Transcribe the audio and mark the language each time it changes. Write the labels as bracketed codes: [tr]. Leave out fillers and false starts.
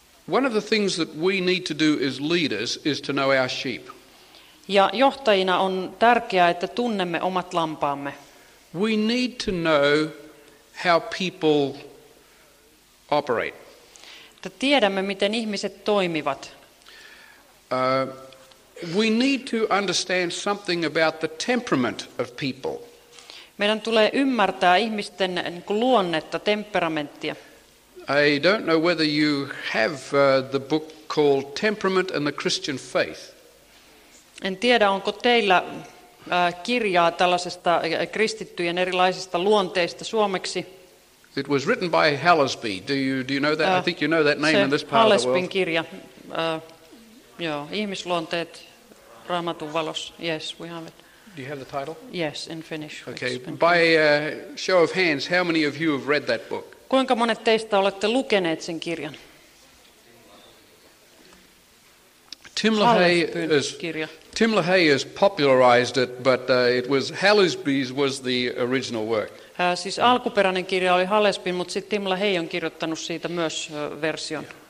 [en] One of the things that we need to do as leaders is to know our sheep. [fi] Ja johtajina on tärkeää, että tunnemme omat lampaamme. [en] We need to know how people operate. [fi] Tiedämme, miten ihmiset toimivat. [en] We need to understand something about the temperament of people. [fi] Meidän tulee ymmärtää ihmisten luonnetta, temperamenttia. [en] I don't know whether you have the book called Temperament and the Christian Faith. [fi] En tiedä, onko teillä kirjaa tällaisesta kristittyjen erilaisista luonteista suomeksi. [en] It was written by Hallesby. Do you know that? I think you know that name in this part [fi] Hallesbyn [en] of the world. [fi] Kirja. Joo, ihmisluonteet Raamatun valossa. [en] Yes, we have it. Do you have the title? Yes, in Finnish. Okay, by show of hands, how many of you have read that book? [fi] Kuinka monet teistä olette lukeneet sen kirjan? [en] Tim LaHaye has popularized it, but it was Hallesby's was the original work. [fi] Siis alkuperäinen kirja oli Hallesbyn, mutta sitten Tim LaHaye on kirjoittanut siitä myös version.